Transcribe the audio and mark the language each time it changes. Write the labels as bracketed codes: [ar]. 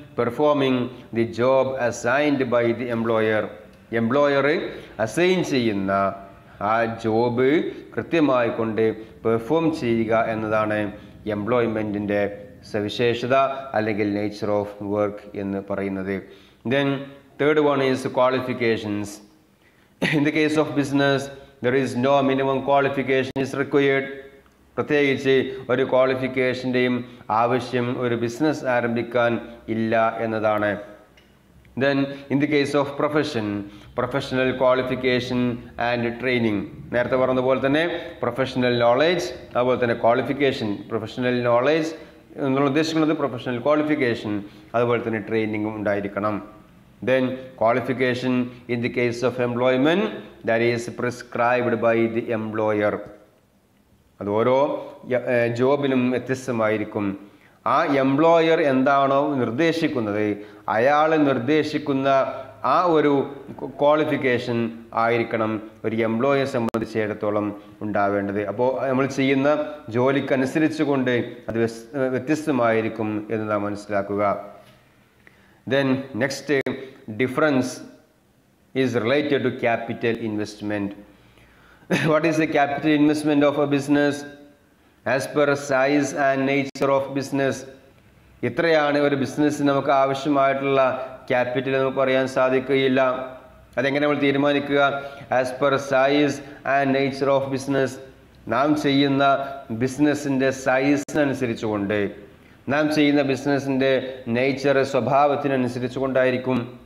[en] Performing the job assigned by the employer. [ml] Employer assign ചെയ്യുന്ന ആ job കൃത്യമായി കൊണ്ട് പെർഫോം ചെയ്യുക എന്നതാണ് എംപ്ലോയ്മെൻറ്റിൻ്റെ സവിശേഷത, അല്ലെങ്കിൽ നേച്ചർ ഓഫ് വർക്ക് എന്ന് പറയുന്നത്. [en] Then third one is qualifications. In the case of business there is no minimum qualification is required. [ml] പ്രത്യേകിച്ച് ഒരു ക്വാളിഫിക്കേഷൻ്റെയും ആവശ്യം ഒരു ബിസിനസ് ആരംഭിക്കാൻ ഇല്ല എന്നതാണ്. [en] Then in the case of profession, professional qualification and training. [ml] നേരത്തെ പറഞ്ഞതുപോലെ തന്നെ പ്രൊഫഷണൽ നോളേജ്, അതുപോലെ തന്നെ ക്വാളിഫിക്കേഷൻ, പ്രൊഫഷണൽ നോളേജ് എന്നുള്ള ഉദ്ദേശിക്കുന്നത് പ്രൊഫഷണൽ ക്വാളിഫിക്കേഷൻ, അതുപോലെ തന്നെ ട്രെയിനിങ്ങും ഉണ്ടായിരിക്കണം. [en] Then qualification in the case of employment that is prescribed by the employer. [ml] അത് ഓരോ ജോബിനും വ്യത്യസ്തമായിരിക്കും. ആ എംപ്ലോയർ എന്താണോ നിർദ്ദേശിക്കുന്നത്, അയാൾ നിർദ്ദേശിക്കുന്ന ആ ഒരു ക്വാളിഫിക്കേഷൻ ആയിരിക്കണം ഒരു എംപ്ലോയെ സംബന്ധിച്ചിടത്തോളം ഉണ്ടാവേണ്ടത്. അപ്പോൾ നമ്മൾ ചെയ്യുന്ന ജോലിക്കനുസരിച്ച് കൊണ്ട് അത് വ്യത്യസ്തമായിരിക്കും എന്ന് നാം മനസ്സിലാക്കുക. [en] Then next, difference is related to capital investment. What is the capital investment of a business? As per size and nature of business, [ml] ഇത്രയാണ് ഒരു ബിസിനസ്സിന് നമുക്ക് ആവശ്യമായിട്ടുള്ള ക്യാപിറ്റൽ എന്ന് പറയാൻ സാധിക്കുകയില്ല. അതെങ്ങനെ നമ്മൾ തീരുമാനിക്കുക? [en] As per size and nature of business, [ml] നാം ചെയ്യുന്ന ബിസിനസ്സിൻ്റെ സൈസിനനുസരിച്ചുകൊണ്ട്, നാം ചെയ്യുന്ന ബിസിനസ്സിൻ്റെ നേച്ചർ സ്വഭാവത്തിനനുസരിച്ച് കൊണ്ടായിരിക്കും.